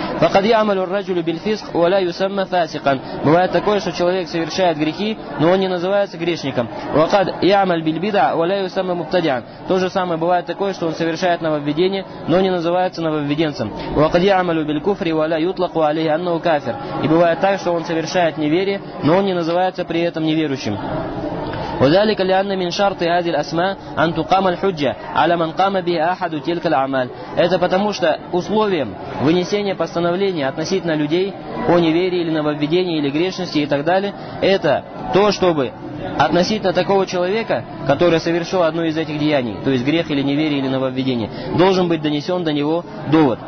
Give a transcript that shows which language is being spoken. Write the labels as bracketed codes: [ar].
[ar] «Факад ямалю раджулю бильфиск валя юсамма фасикан». [ru] Бывает такое, что человек совершает грехи, но он не называется грешником. [ar] «Факад ямаль бильбида валя юсамма мубтадиан». [ru] То же самое бывает такое, что он совершает нововведение, но не называется нововведенцем. [ar] «Факад ямалю билькуфри валя ютлаку алейхи аннаху кафир». [ru] И бывает так, что он совершает неверие, но он не называется при этом неверующим. [ar] وذلك لأن من شرط هذه الأسماء أن تقام الحجة على من قام به أحد تلك الأعمال. [ru] Это потому что условием вынесения постановления относительно людей о неверии или нововведении или грешности и так далее, это то, чтобы относительно такого человека, который совершил одно из этих деяний, то есть грех или неверие или нововведение, должен быть донесен до него довод.